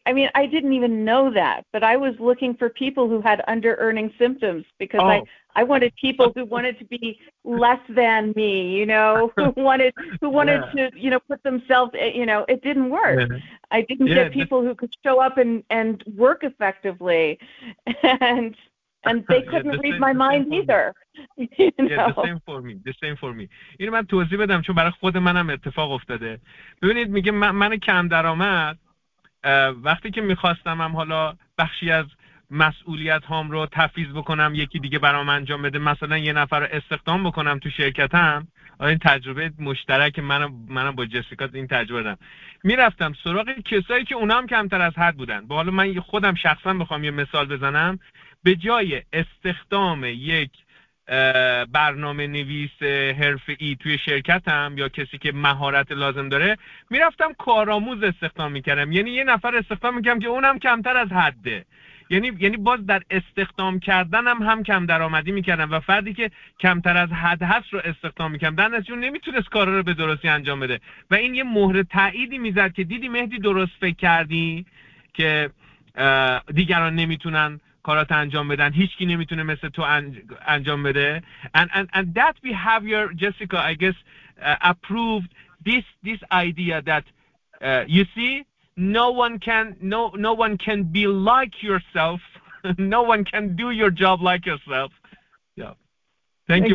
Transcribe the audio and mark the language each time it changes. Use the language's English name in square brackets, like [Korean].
[English] I mean, I didn't even know that, but I was looking for people who had under-earning symptoms because I wanted people who wanted to be less than me, you know, who wanted to, you know, put themselves, you know, it didn't work. Yeah. I didn't get people who could show up and work effectively, and they couldn't read my mind either. The same for me. [Persian] اینو من توضیح بدم چون برای خود منم اتفاق افتاده. ببینید میگه من کم درآمد وقتی که میخواستم هم حالا بخشی از مسئولیت هام رو تفویض بکنم یکی دیگه برام انجام بده، مثلا یه نفر رو استخدام بکنم تو شرکتم، این تجربه مشترک منم با جسیکا این تجربه دارم، میرفتم سراغ کسایی که اونا هم کمتر از حد بودن. با حالا من خودم شخصا بخوام یه مثال بزنم، به جای استخدام یک برنامه نویس حرفه‌ای توی شرکتم یا کسی که مهارت لازم داره، میرفتم کارآموز استخدام میکردم. یعنی یه نفر استخدام میکردم که اونم کمتر از حده. یعنی باز در استخدام کردنم هم کم درآمدی میکردم و فردی که کمتر از حد هست رو استخدام میکردم، در نتیجه نمیتونست کار رو به درستی انجام بده و این یه مهر تاییدی میزد که دیدی مهدی درست فکر کردی که دیگران نمیتونن کارات انجام بدن، هیچکی نمیتونه مثل تو انجام بده. [English] And that behavior, Jessica, I guess, approved this idea that you see, no one can be like yourself. No one can do your job like yourself. Yeah. Thank you